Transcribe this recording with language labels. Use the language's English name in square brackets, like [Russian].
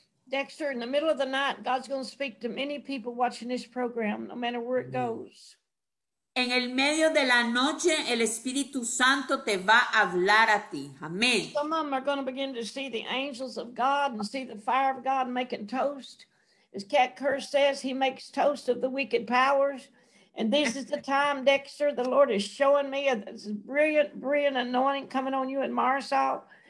[English] Dexter, in the middle of the night, God's going to speak to many people watching this program, no matter where it goes. [Spanish] En el medio de la noche, el Espíritu Santo te va a hablar a ti. Amén. [English] Some of them are going to begin to see the angels of God and see the fire of God making toast. As Cat Kerr says, he makes toast of the wicked powers. And this is the time, Dexter, the Lord is showing me this brilliant, brilliant anointing coming on you in Marisol.